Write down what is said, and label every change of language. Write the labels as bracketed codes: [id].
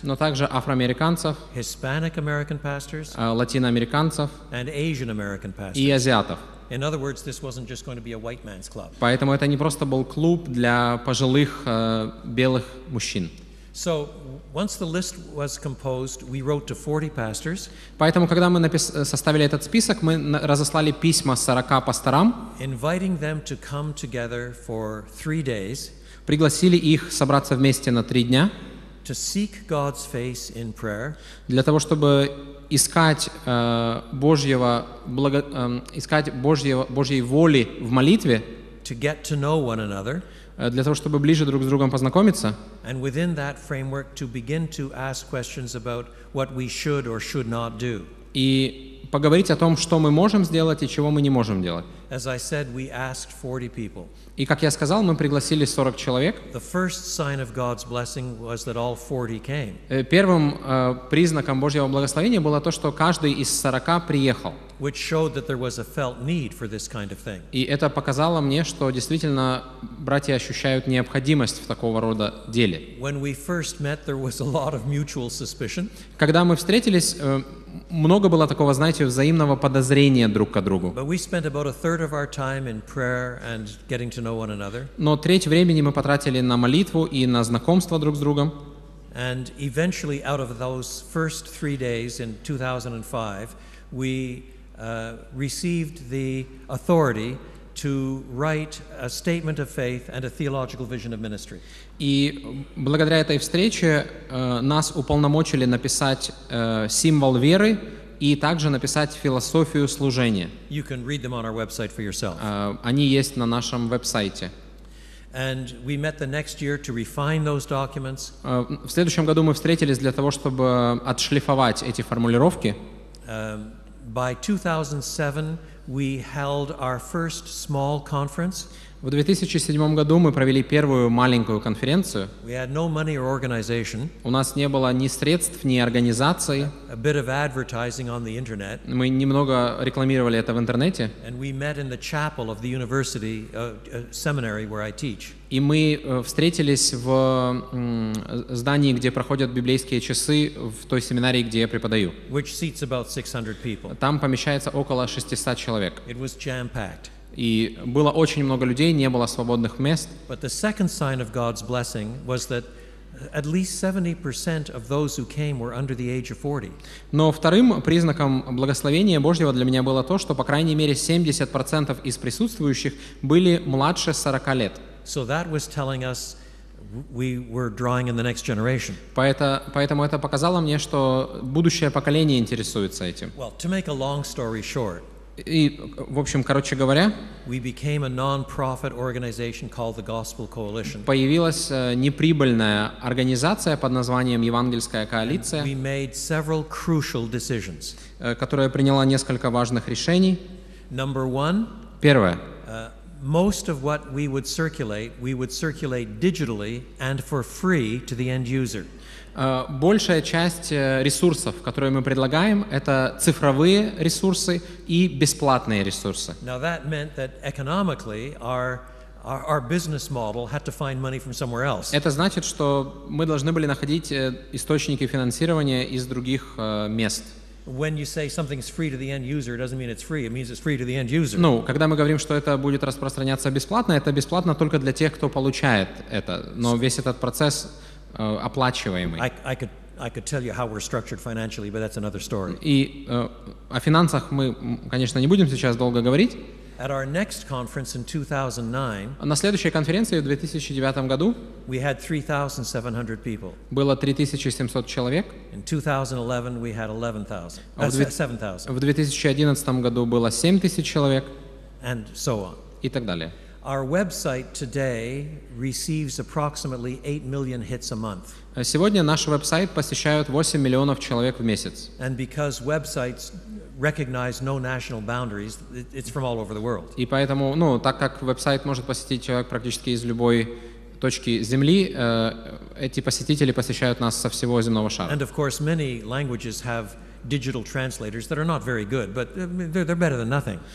[ru] но также афроамериканцев, [en] Hispanic-American pastors, [ru] латиноамериканцев [en] and Asian-American pastors. [ru] И азиатов. [en] In other words, this wasn't just going to be a white man's club. [ru] Поэтому это не просто был клуб для пожилых белых мужчин. [en] So, once the list was composed, we wrote to 40 pastors. [ru] Поэтому, когда мы составили этот список, мы разослали письма 40 пасторам. [en] Inviting them to come together for 3 days. [ru] Пригласили их собраться вместе на 3 дня. [en] To seek God's face in prayer. [ru] Для того, чтобы искать Божьего Божьей воли в молитве. [en] To get to know one another. [ru] Для того, чтобы ближе друг с другом познакомиться. [en] And within that framework to begin to ask questions about what we should or should not do. [ru] И поговорить о том, что мы можем сделать и чего мы не можем делать. [en] As I said, we asked 40 people. [ru] И как я сказал, мы пригласили 40 человек. [en] The first sign of God's blessing was that all 40 came. [ru] Первым признаком Божьего благословения было то, что каждый из 40 приехал. [en] Which showed that there was a felt need for this kind of thing. [ru] И это показало мне, что действительно братья ощущают необходимость в такого рода деле. [en] When we first met, there was a lot of mutual suspicion. [ru] Когда мы встретились, много было такого, знаете, взаимного подозрения друг к другу. [en] But we spent about a third of our time in prayer and getting to know one another. [ru] Но треть времени мы потратили на молитву и на знакомство друг с другом. [en] And eventually, out of those first 3 days in 2005, we received the authority to write a statement of faith and a theological vision of ministry. [ru] И благодаря этой встрече нас уполномочили написать символ веры и также написать философию служения. [en] You can read them on our website for yourself. [ru] Они есть на нашем веб-сайте. [en] And we met the next year to refine those documents. [ru] В следующем году мы встретились для того, чтобы отшлифовать эти формулировки. [en] By 2007, we held our first small conference. [ru] В 2007 году мы провели первую маленькую конференцию. [en] We had no money or organization. [ru] У нас не было ни средств, ни организаций. [en] A bit of advertising on the internet. [ru] Мы немного рекламировали это в интернете. [en] And we met in the chapel of the university seminary where I teach. [ru] И мы встретились в здании, где проходят библейские часы, в той семинарии, где я преподаю. [en] Which seats about 600 people. [ru] Там помещается около 600 человек. [en] It was jam-packed. [ru] И было очень много людей, не было свободных мест. [en] But the second sign of God's blessing was that at least 70% of those who came were under the age of 40. [ru] Но вторым признаком благословения Божьего для меня было то, что по крайней мере 70% из присутствующих были младше 40 лет. [en] So that was telling us we were drawing in the next generation. [ru] Поэтому это показало мне, что будущее поколение интересуется этим. [en] Well, to make a long story short, [ru] и, в общем, короче говоря, [en] we became a non-profit organization called the Gospel Coalition. [ru] Появилась неприбыльная организация под названием Евангельская коалиция, [en] and we made several crucial decisions. [ru] Которая приняла несколько важных решений. [en] Number one, [ru] первое, [en] most of what we would circulate digitally and for free to the end user. [ru] Большая часть ресурсов, которые мы предлагаем, это цифровые ресурсы и бесплатные ресурсы. [en] Now that meant that economically our business model had to find money from somewhere else. [ru] Это значит, что мы должны были находить источники финансирования из других мест. [en] When you say something's free to the end user, it doesn't mean it's free, it means it's free to the end user. [ru] Ну, когда мы говорим, что это будет распространяться бесплатно, это бесплатно только для тех, кто получает это. Но весь этот процесс оплачиваемый. [en] I could tell you how we're structured financially, but that's another story. [ru] И о финансах мы, конечно, не будем сейчас долго говорить. [en] At our next conference in 2009, [ru] на следующей конференции в 2009 году, [en] we had 3,700 people. [ru] Было 3,700 человек. [en] In 2011, we had 7,000. [ru] В 2011 году было 7,000 человек. [en] And so on. [ru] И так далее. [en] Our website today receives approximately 8 million hits a month. [ru] Сегодня наш веб-сайт посещают 8 миллионов человек в месяц. [en] And because websites recognize no national boundaries, it's from all over the world. [ru] И поэтому, ну, так как веб-сайт может посетить человек практически из любой точки земли, эти посетители посещают нас со всего земного шара. [en] And of course, many languages have digital translators that are not very good, but they're better than nothing.